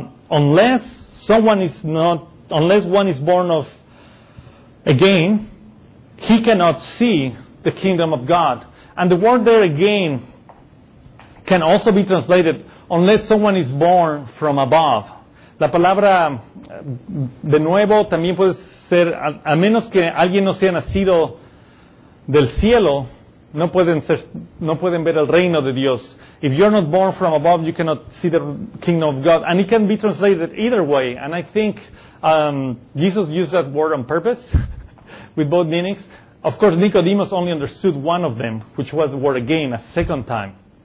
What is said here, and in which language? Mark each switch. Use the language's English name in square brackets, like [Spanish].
[English] Unless one is born of again, he cannot see the kingdom of God. And the word there again can also be translated unless someone is born from above. [Spanish] La palabra de nuevo también puede ser a menos que alguien no sea nacido del cielo. No pueden ver el reino de Dios. [English] If you're not born from above, you cannot see the kingdom of God. And it can be translated either way. And I think Jesus used that word on purpose with both meanings. Of course, Nicodemus only understood one of them, which was the word again, a second time.